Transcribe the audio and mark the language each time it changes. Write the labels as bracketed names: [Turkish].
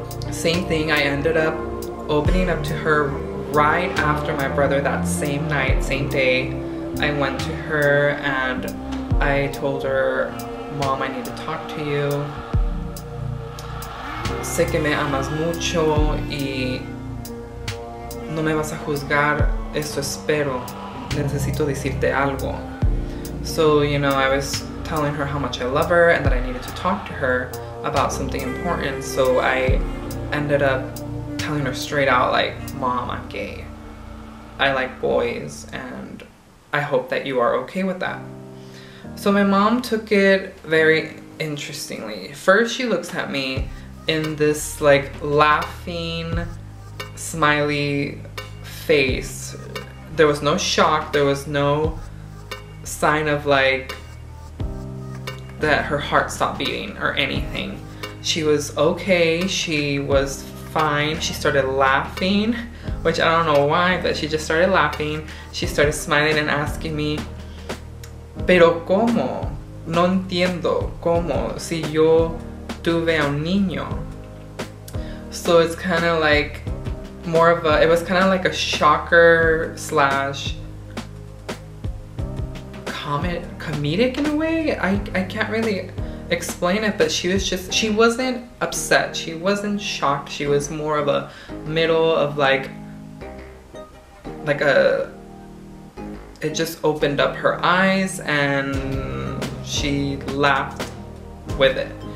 [English] Same thing, I ended up opening up to her right after my brother that same night, same day. I went to her and I told her, "Mom, I need to talk to you. [Spanish] Sé que me amas mucho y no me vas a juzgar, eso espero. Necesito decirte algo." [English] So, you know, I was telling her how much I love her and that I needed to talk to her about something important. So I ended up telling her straight out, like, "Mom, I'm gay. I like boys and I hope that you are okay with that." So my mom took it very interestingly. First, she looks at me in this like laughing, smiley face. There was no shock, there was no sign of like that her heart stopped beating or anything. She was okay, she was fine. She started laughing, which I don't know why, but she just started laughing. She started smiling and asking me, [Spanish] "Pero cómo? No entiendo cómo si yo tuve un niño." [English] So it's kind of like more of a, it was kind of like a shocker slash comedic in a way. I can't really explain it, but she wasn't upset. She wasn't shocked. She was more of a middle of like a, it just opened up her eyes and she laughed with it.